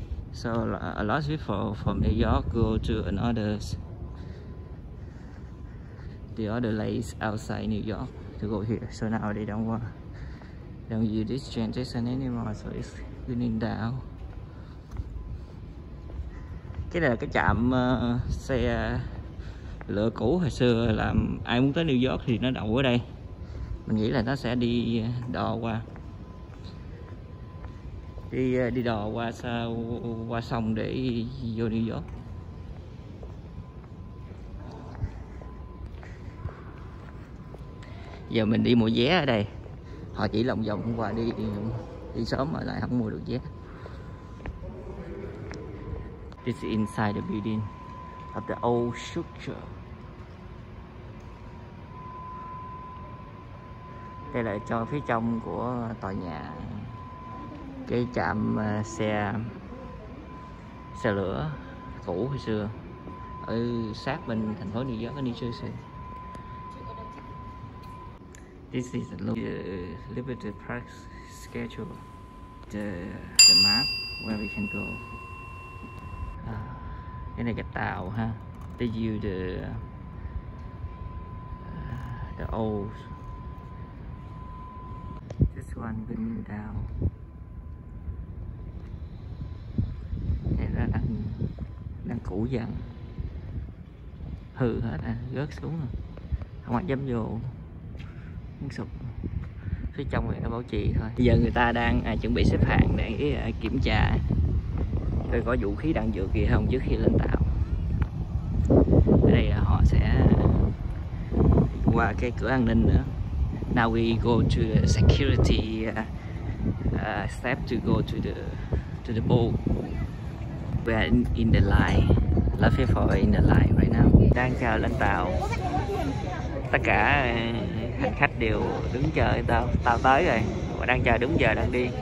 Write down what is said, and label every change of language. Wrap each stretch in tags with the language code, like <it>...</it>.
<en>So a lot of people from New York go to the other lakes outside New York to go here. So now they don't use this train station anymore. So it's running down.</en> <vi>Cái này là cái trạm xe lửa cũ hồi xưa, là ai muốn tới New York thì nó đậu ở đây. Mình nghĩ là nó sẽ đi đò qua sông để vô New York. Giờ mình đi mua vé ở đây. Họ chỉ lòng vòng qua đi sớm mà lại không mua được vé.</vi> <en>It's inside the building of the old structure.</en> <vi>Đây là cho phía trong của tòa nhà, cái trạm xe lửa cũ hồi xưa ở sát bên thành phố New York, New Jersey.</vi> <en>This is the Liberty Park schedule, the map where we can go.</en> <vi>Cái này cái tàu ha,</vi> <en>they use the old. This one bringing down.</en> <vi>Thế là đang cũ dần, hư hết à, rớt xuống rồi, không ai dám vô, muốn sụp. Phía trong này nó bảo trì thôi. Bây giờ người ta đang chuẩn bị xếp hàng để kiểm tra coi có vũ khí đạn dược gì không trước khi lên tàu. Ở đây họ sẽ qua cái cửa an ninh nữa.</vi> <en>Now we go to the security step to go to the boat. We are in the line. Lot of people in the line right now.</en> <vi>Đang chờ lên tàu. Tất cả hành khách đều đứng chờ tàu tới rồi. Họ đang chờ đúng giờ đang đi.</vi>